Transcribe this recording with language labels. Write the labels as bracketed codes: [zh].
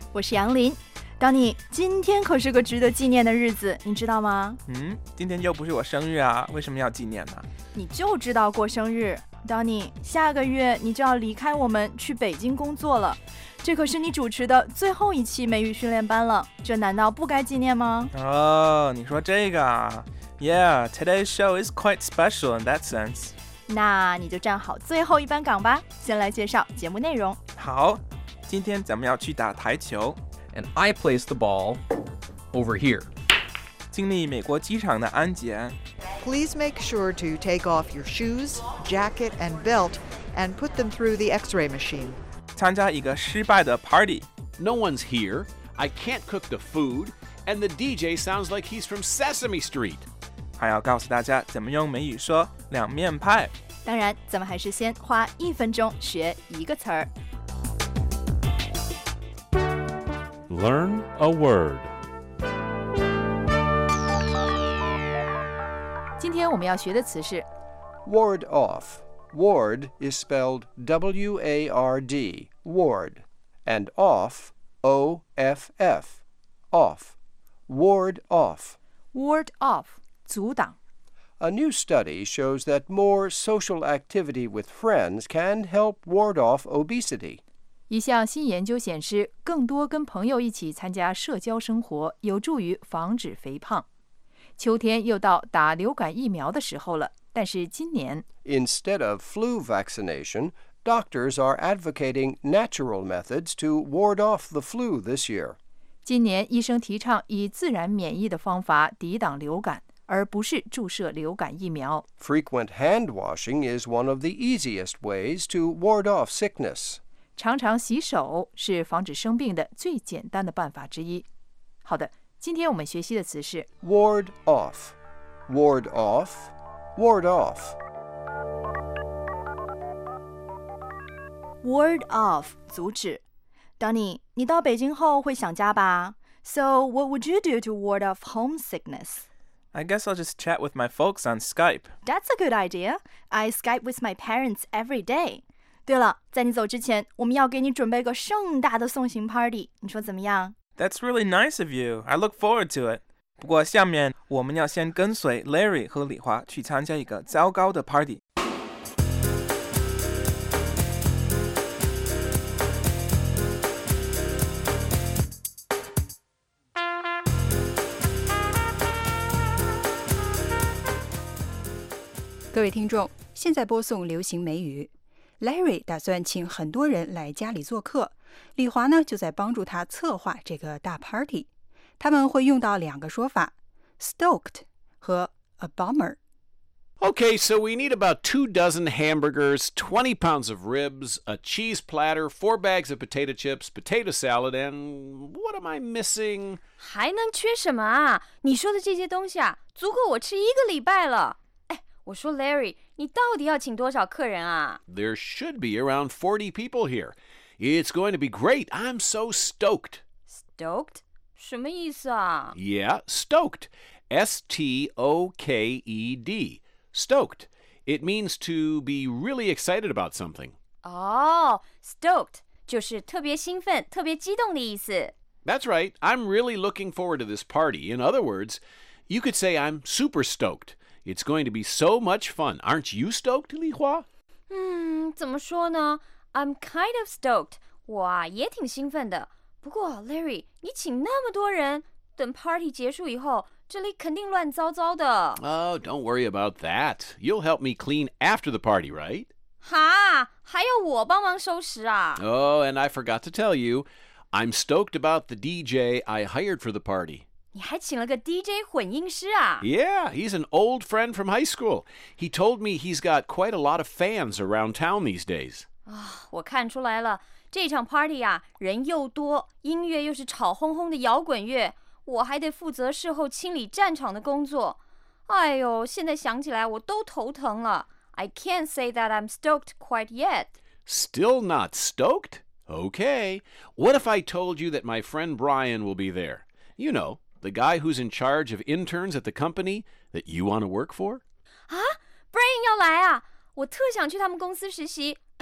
[zh] 我是杨林。Danny， 今天可是个值得纪念的日子，你知道吗？今天又不是我生日啊，为什么要纪念呢？你就知道过生日。 Danny， 下个月你就要离开我们去北京工作了，这可是你主持的最后一期美语训练班了，这难道不该纪念吗？哦，你说这个啊。 [en] Yeah， today's show is quite special in that sense。 [zh] 那你就站好最后一班岗吧，先来介绍节目内容。好，今天咱们要去打台球。 [en] And I place the ball over here. [zh] 经历美国机场的安检。 [en] Please make sure to take off your shoes, jacket and belt and put them through the x-ray machine. [zh] 参加一个失败的 party. [en] No one's here, I can't cook the food, and the DJ sounds like he's from Sesame Street. [zh] 还要告诉大家怎么用美语说两面派。当然，咱们还是先花一分钟学一个词儿。 [en] Learn a word。 [zh] 今天我们要学的词是 [en] ward off。 Ward is spelled W-A-R-D, ward, and off, O-F-F, off. Ward off. Ward off, [zh] 阻挡。 [en] A new study shows that more social activity with friends can help ward off obesity. [zh] 一项新研究显示，更多跟朋友一起参加社交生活有助于防止肥胖。秋天又到打流感疫苗的时候了，但是今年 [en] Instead of flu vaccination, doctors are advocating natural methods to ward off the flu this year. [zh] 今年医生提倡以自然免疫的方法抵挡流感，而不是注射流感疫苗。 [en] Frequent hand washing is one of the easiest ways to ward off sickness. [zh] 常常洗手是防止生病的最简单的办法之一。好的，今天我们学习的词是 [en] ward off, ward off, ward off. [zh] Ward off, 阻止。 [en] Danny, 你到北京后会想家吧？ So what would you do to ward off homesickness? I guess I'll just chat with my folks on Skype. That's a good idea. I Skype with my parents every day. [zh] 对了，在你走之前，我们要给你准备个盛大的送行 party， 你说怎么样？ [en] That's really nice of you. I look forward to it. [zh] 不过下面我们要先跟随 Larry 和李华去参加一个糟糕的 party。各位听众，现在播送流行美语。 Larry 打算请很多人来家里做客，李华呢就在帮助他策划这个大 party。他们会用到两个说法， stoked 和 a bummer。 [en] Okay, so we need about 2 dozen hamburgers, 20 pounds of ribs, a cheese platter, 4 bags of potato chips, potato salad, and what am I missing? [zh] 还能缺什么啊？你说的这些东西啊，足够我吃一个礼拜了。我说 Larry, 你到底要请多少客人啊？ [en] There should be around 40 people here. It's going to be great. I'm so stoked. [zh] Stoked? 什么意思啊？ [en] Yeah, stoked. S-T-O-K-E-D. Stoked. It means to be really excited about something. Oh, stoked. [zh] 就是特别兴奋，特别激动的意思。 [en] That's right. I'm really looking forward to this party. In other words, you could say I'm super stoked. It's going to be so much fun. Aren't you stoked, Li Hua? [zh] 怎么说呢? [en] I'm kind of stoked. [zh] 我啊也挺兴奋的。不过 Larry, 你请那么多人，等 party 结束以后，这里肯定乱糟糟的。 [en] Oh, don't worry about that. You'll help me clean after the party, right? [zh] 哈，还要我帮忙收拾啊? [en] Oh, and I forgot to tell you, I'm stoked about the DJ I hired for the party. [zh] 你还请了个 DJ 混音师啊? [en] Yeah, he's an old friend from high school. He told me he's got quite a lot of fans around town these days. [zh] 我看出来了。这场 party 啊，人又多，音乐又是吵哄哄的摇滚乐，我还得负责事后清理战场的工作。哎呦，现在想起来我都头疼了。 [en] I can't say that I'm stoked quite yet. Still not stoked? Okay. What if I told you that my friend Brian will be there? You know... The guy who's in charge of interns at the company that you want to work for? [zh] Brian 要来啊！我特想去他们公司实习。